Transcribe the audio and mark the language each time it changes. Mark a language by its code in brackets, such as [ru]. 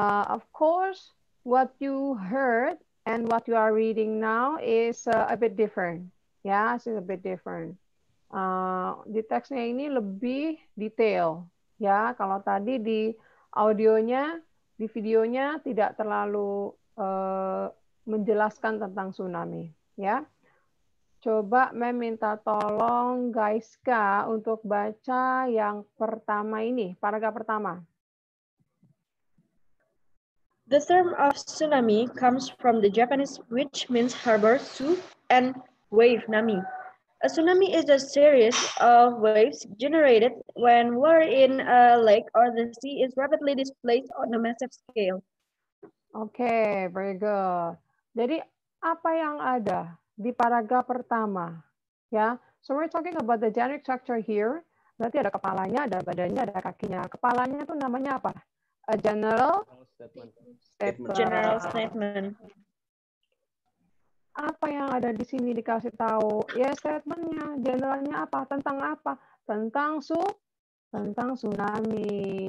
[en] Of course, what you heard and what you are reading now is a bit different. Ya, it's a bit different. [id] Di teksnya ini lebih detail, ya. Kalau tadi di audionya, di videonya tidak terlalu menjelaskan tentang tsunami, ya. Coba Mem minta tolong Gaiska untuk baca yang pertama ini, paragraf pertama. [en] The term of tsunami comes from the Japanese, which means harbor, tsu, and wave, nami. A tsunami is a series of waves generated when water in a lake or the sea is rapidly displaced on a massive scale. Okay, very good. [id] Jadi apa yang ada di paragraf pertama? [en] Ya, so we're talking about the generic structure here. [id] Berarti ada kepalanya, ada badannya, ada kakinya. Kepalanya itu namanya apa? [en] A general statement. General statement. [id] apa yang ada di sini dikasih tahu? Ya, statementnya, generalnya apa? Tentang apa? Tentang tentang tsunami.